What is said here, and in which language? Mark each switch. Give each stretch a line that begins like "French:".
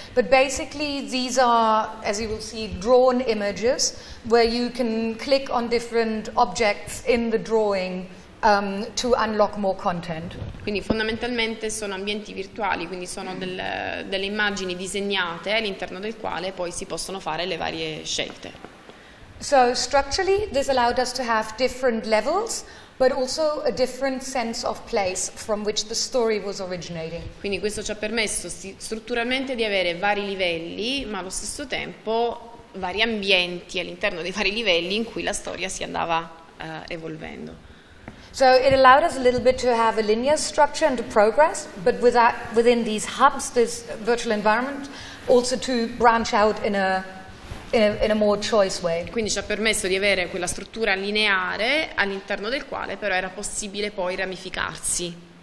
English: But basically, these are, as you will see, drawn images where you can click on different objects in the drawing to unlock more content.
Italian: Quindi fondamentalmente sono ambienti virtuali, quindi sono delle immagini disegnate all'interno del quale poi si possono fare le varie scelte.
English: So structurally, this allowed us to have different levels, but also a different sense of place from which the story was originating.
Italian: Quindi questo ci ha permesso strutturalmente di avere vari livelli, ma allo stesso tempo vari ambienti all'interno dei vari livelli in cui la storia si andava evolvendo.
English: So it allowed us a little bit to have a linear structure and to progress, but within these hubs, this virtual environment, also to branch out in a more choice way.
Italian: Quindi ci ha permesso di avere quella struttura lineare all'interno del quale però era possibile poi ramificarsi.